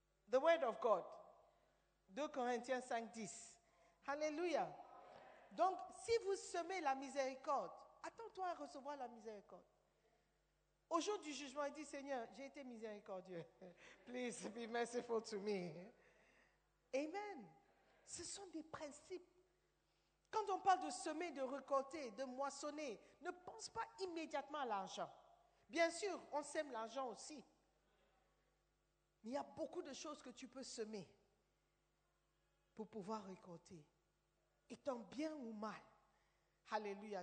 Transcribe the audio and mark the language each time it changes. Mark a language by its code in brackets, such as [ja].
[en] The word of God. 2 Corinthiens 5, 10. Hallelujah. [fr] Donc, si vous semez la miséricorde, attends-toi à recevoir la miséricorde. Au jour du jugement, il dit, Seigneur, j'ai été miséricordieux. [en] Please be merciful to me. [fr] Amen. Ce sont des principes. Quand on parle de semer, de récolter, de moissonner, ne pense pas immédiatement à l'argent. Bien sûr, on sème l'argent aussi. Mais il y a beaucoup de choses que tu peux semer pour pouvoir récolter, étant bien ou mal. Alléluia.